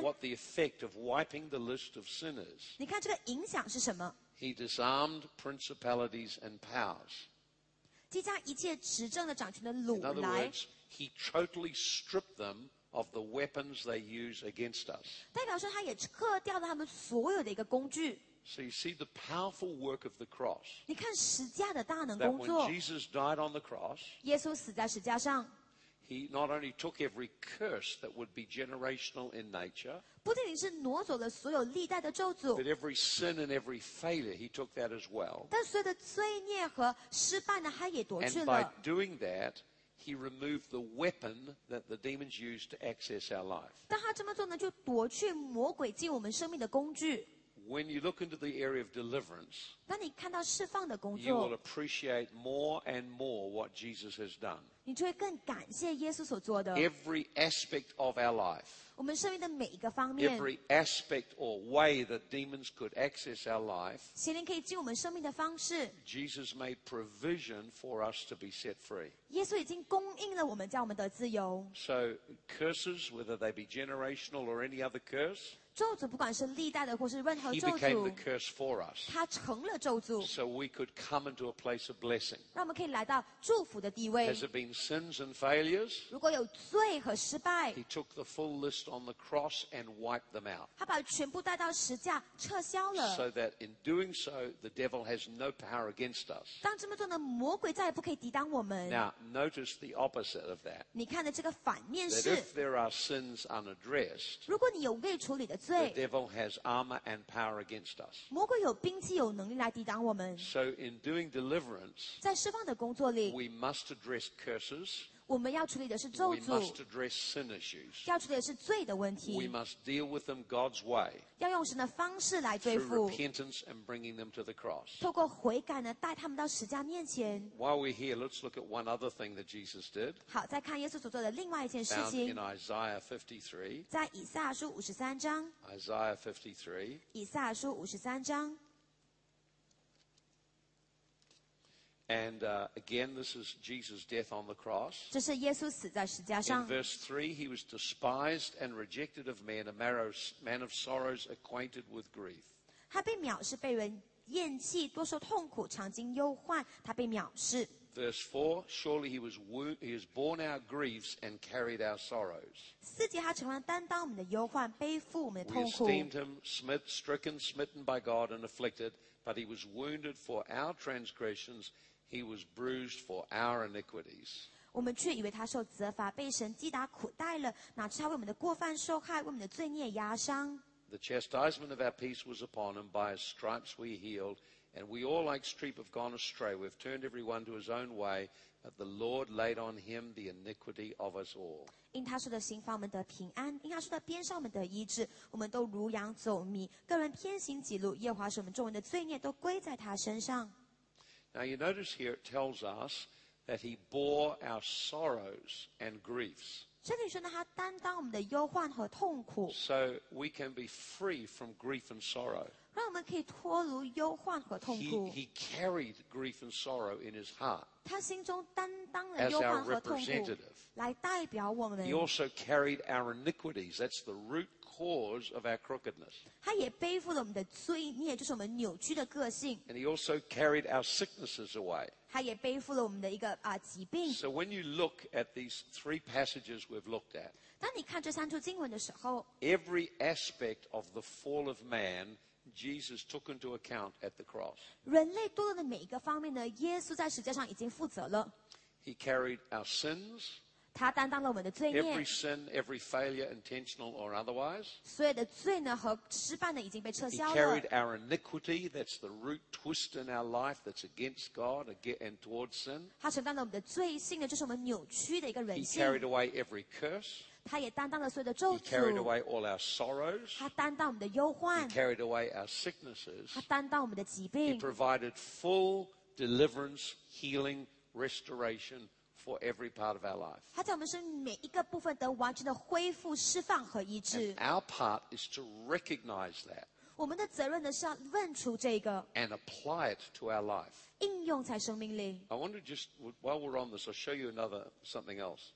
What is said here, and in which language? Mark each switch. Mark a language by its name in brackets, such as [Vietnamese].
[English] What the effect of wiping the list of sinners? [Chinese] 你看这个影响是什么？ [English] He disarmed principalities and powers. [Chinese] 击将一切执政的掌权的掳来。 [English] In other words, he totally stripped them of the weapons they use against us. [Chinese] 代表说他也撤掉了他们所有的一个工具。 [English] So you see the powerful work of the cross. [Chinese] 你看十字架的大能工作。 [English] That when Jesus died on the cross, [Chinese] 耶稣死在十字架上。 [English] He not only took every curse that would be generational in nature. [Chinese] 不仅仅是挪走了所有历代的咒诅。 [English] But every sin and every failure, he took that as well. [Chinese] 但所有的罪孽和失败呢，他也夺去了。 [English] And by doing that. He removed the weapon that the demons used to access our life. [Chinese] 当他这么做呢，就夺去魔鬼进我们生命的工具。 [English] When you look into the area of deliverance, [Chinese] 当你看到释放的工作， [English] you will appreciate more and more what Jesus has done. [Chinese] 你就会更感谢耶稣所做的。 [English] Every aspect of our life. [Chinese] 我们生命的每一个方面 [English] every aspect or way that demons could access our life [Chinese] 邪灵可以进我们生命的方式 [English] Jesus made provision for us to be set free [Chinese] 耶稣已经供应了我们叫我们得自由 [English] So curses whether they be generational or any other curse [Chinese] 咒诅不管是历代的或是任何咒诅 [English] He became the curse for us [Chinese] 他成了咒诅 [English] So we could come into a place of blessing [Chinese] 让我们可以来到祝福的地位 [English] Has there been sins and failures [Chinese] 如果有罪和失败 [English] He took the full liston the cross and wipe them out. [Chinese] 他把全部带到十架撤销了。 [English] So that in doing so, the devil has no power against us. [Chinese] 当这么做呢，魔鬼再也不可以抵挡我们。 [English] Now notice the opposite of that. [Chinese] 你看的这个反面是。 [English] That if there are sins unaddressed, [Chinese] 如果你有未处理的罪 [English] ，the devil has armor and power against us. [Chinese] 魔鬼有兵器有能力来抵挡我们。 [English] So in doing deliverance, [Chinese] 在释放的工作里 [English] ，we must address curses. [Chinese] 我们要处理的是咒诅 [English] We must address sin issues. [Chinese] 要处理的是罪的问题 [English] We must deal with them God's way. [Chinese] 要用神的方式来对付 [English] Through repentance and bringing them to the cross. [Chinese] 透过悔改呢带他们到十架面前 [English] While we're here, let's look at one other thing that Jesus did. [Chinese] 好再看耶稣所做的另外一件事情 [English] Found in Isaiah 53. [Chinese] 在以赛亚书五十三章 [English] Isaiah 53. [Chinese] 以赛亚书五十三章 [English] And again, this is Jesus' death on the cross. [Chinese] 这是耶稣死在十架上。 [English] In verse 3, he was despised and rejected of men, a man of sorrows, acquainted with grief. [Chinese] 他被藐视，被人厌弃，多受痛苦，常经忧患。他被藐视。 [English] Verse 4, surely he was wounded, he has borne our griefs and carried our sorrows. [Chinese] 四节他承担担当我们的忧患，背负我们的痛苦。 [English] We esteemed him stricken by God and afflicted. But he was wounded for our transgressions, he was bruised for our iniquities. [Chinese] 我们却以为他受责罚，被神击打苦待了，哪知他为我们的过犯受害，为我们的罪孽压伤。 [English] The chastisement of our peace was upon him, by his stripes we healed, and we all like sheep have gone astray, we've turned everyone to his own way, but the Lord laid on him the iniquity of us all. [Chinese] 因他受的刑罚我们得平安因他受的鞭伤我们得医治我们都如羊走迷个人偏行己路耶和华使我们众人的罪孽都归在他身上 [English] Now you notice here it tells us that he bore our sorrows and griefs [Chinese] 这里说呢他担当我们的忧患和痛苦 [English] So we can be free from grief and sorrow [Chinese] 让我们可以脱离忧患和痛苦 [English] he carried grief and sorrow in his heart [Chinese] 他心中担当了忧患和痛苦来代表我们 [English] He also carried our iniquities. That's the root cause of our crookedness. [Chinese] 他也背负了我们的罪孽，就是我们扭曲的个性。 [English] And he also carried our sicknesses away. [Chinese] 他也背负了我们的一个疾病。 [English] So when you look at these three passages we've looked at, [Chinese] 当你看这三处经文的时候 [English] ，every aspect of the fall of man. Jesus took into account at the cross. [Chinese] 人类堕落的每一个方面呢，耶稣在十字架上已经负责了。 [English] He carried our sins. [Chinese] 他担当了我们的罪孽。 [English] Every sin, every failure, intentional or otherwise. [Chinese] 所有的罪呢和失败呢已经被撤销了。 [English] He carried our iniquity. That's the root twist in our life that's against God and towards sin. [Chinese] 他承担了我们的罪性呢，就是我们扭曲的一个人性。 [English] He carried away every curse. [Chinese] 他也担当了所有的咒诅。 [English] He carried away all our sorrows. [Chinese] 他担当我们的忧患。 [English] He carried away our sicknesses. [Chinese] 他担当我们的疾病。 [English] He provided full deliverance, healing, restoration for every part of our life. [Chinese] 他在我们生命每一个部分得完全的恢复、释放和医治。 [English] And our part is to recognize that. [Chinese] 我们的责任呢是要认出这个。 [English] And apply it to our life. [Chinese] 应用在生命里。 [English] I wonder just while we're on this, I'll show you another something else.